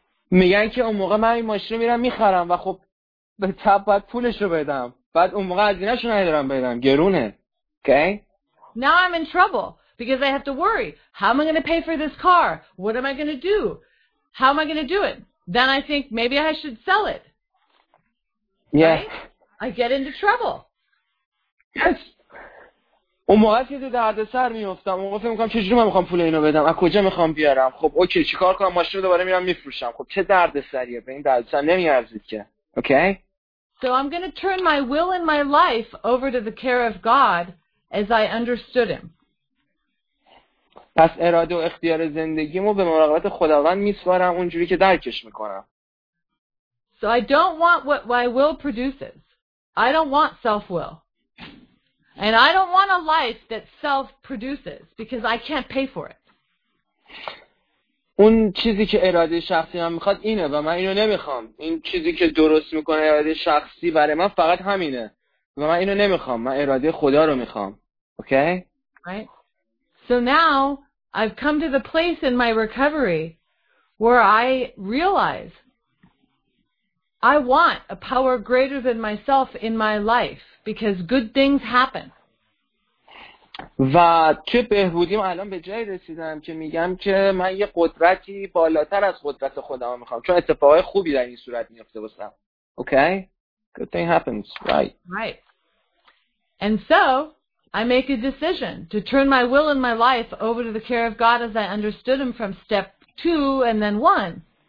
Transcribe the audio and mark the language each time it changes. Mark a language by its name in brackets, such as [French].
[Persian] میگن که اون موقع من این ماشین رو میرم میخرم و خب به تب باید پولش رو بدم، بعد اون موقع از اینش رو ندارم بدم، گرونه. [English] Okay? Now I'm in trouble because I have to worry, how am I going to pay for this car? What am I going to do? How am I going to do it? Then I think maybe I should sell it. Yeah. Right? I get into trouble. Yes. [Persian] اون موقع که تو درد سر میفتم، اون موقع فکر میکنم چجوری من میخوام پول اینو بدم، از کجا میخوام بیارم، خب اوکی چیکار کنم، ماشین رو دوباره میرم میفروشم، خب چه درد سریه، به این درد سر نمیارزید که. [English] Okay? So I'm going to turn my will and my life over to the care of God as I understood him. [Persian] پس اراده و اختیار زندگیمو به مراقبت خداوند میسپارم اونجوری که درکش میکنم. [English] So I don't want what my will produces. I don't want self-will. And I don't want a life that self produces because I can't pay for it. [Persian] اون چیزی که اراده شخصی من میخواد اینه و من اینو نمیخوام. این چیزی که درست میکنه اراده شخصی برای من فقط همینه و من اینو نمیخوام. من اراده خدا رو میخوام. Okay? [English] Right. So now I've come to the place in my recovery where I realize I want a power greater than myself in my life. Because good things happen. [Persian] و چه بهبودیم الان به جای رسیدم که میگم که من یه قدرتی بالاتر از قدرت خودم میخوام، چون اتفاقای خوبی در این صورت میفته واسم. [English] Okay? Good thing happens. Right. Right. And so, I make a decision to turn my will and my life over to the care of God as I understood him from step 2 and then 1.